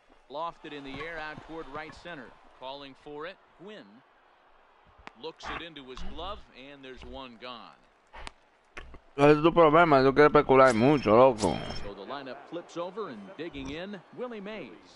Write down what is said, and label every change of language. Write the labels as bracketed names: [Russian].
[English] Lofted in the air out toward right center. Calling for it, Quinn. Looks it into his glove, and there's one gone. [Spanish] Ese es tu problema, yo quiero especular mucho, loco. [English] So the lineup flips over and digging in, Willie Mays.